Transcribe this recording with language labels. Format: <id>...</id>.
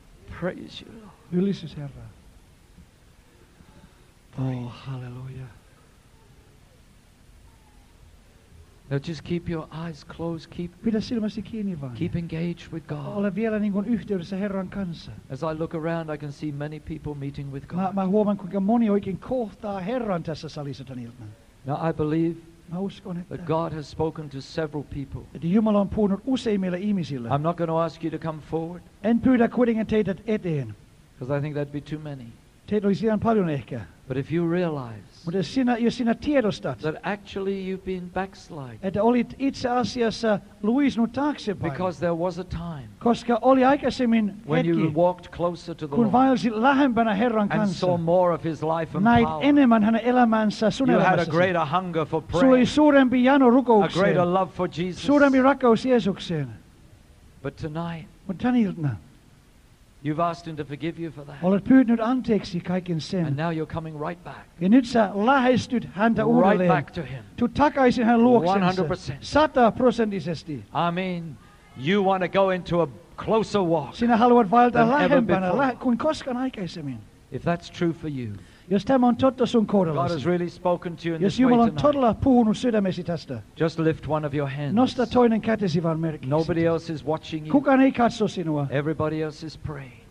<en>Praise you, Lord.</en> <fi>Ylistys, Herra. Oh, hallelujah.</fi> <en>Now just keep your eyes closed. Keep.</en> <fi>Pidä silmäsi kiinni vaan.</fi> <en>Keep engaged with God.</en> <fi>Ole vielä niin kuin yhteydessä Herran kanssa.</fi> <en>As I look around, I can see many people meeting with God.</en> <fi>Mä huomaan, kuinka moni oikein kohtaa Herran tässä salissa tän iltana.</fi> <en>Now I believe.</en> <fi>Mä uskon,</fi> <en>that God has spoken to several people.</en> <fi>Että Jumala on puhunut useimmille ihmisille.</fi> <en>I'm not going to ask you to come forward.</en> <fi>En pyydä kuitenkin teitä eteen.</fi> <en>Because I think that'd be too many.</en> <fi>Teitä olisi ihan paljon ehkä.</fi> <en>But if you realize,</en> <fi>mutta jos sinä tiedostat,</fi> <en>that actually you've been backslide,</en> <fi>että olit itse asiassa luisnut taaksepäin,</fi> <en>because there was a time,</en> <fi>koska oli aikaisemmin</fi> <en>when</en> <fi>hetki,</fi> <en>you walked closer to the</en> <fi>kun</fi> <en>Lord,</en> <fi>kun vaelsit lähempänä Herran kanssa,</fi> <en>and saw more of His life and</en> <fi>näit</fi> <en>power,</en> <fi>näit enemmän hänen elämänsä, sun</fi> <en>you had a greater hunger for prayer,</en> <fi>sulla oli suurempi jano rukoukseen,</fi> <en>a greater love for Jesus,</en> <fi>suurempi rakkaus Jeesukseen.</fi> <en>But tonight,</en> <fi>mutta tänä iltana,</fi> <en>you've asked Him to forgive you for that.</en> <fi>Olet pyytänyt anteeksi kaiken sen.</fi> <en>And now you're coming right back.</en> <fi>Ja nyt sä lähestyt häntä uudelleen.</fi> <en>Right back to Him.</en> <fi>Tu takaisin hänen luoksensa.</fi> <en>100%.</en> <fi>100%.</fi> <en>I mean, you want to go into a closer walk.</en> <fi>Sinä haluat vaeltaa lähempänä kuin koskaan aikaisemmin.</fi> <en>If that's true for you.</en> <fi>Jos tämä on totta sun kohdalla.</fi> <en>God has really spoken to you in this way tonight.</en> <fi>Jos Jumala on todella puhunut sydämesi tästä.</fi> <en>Just lift one of your hands.</en> <fi>Nosta toinen kätesi vaan merkiksi.</fi> <en>Nobody else is watching you.</en> <fi>Kukaan ei katso sinua.</fi> <en>Everybody else is praying.</en>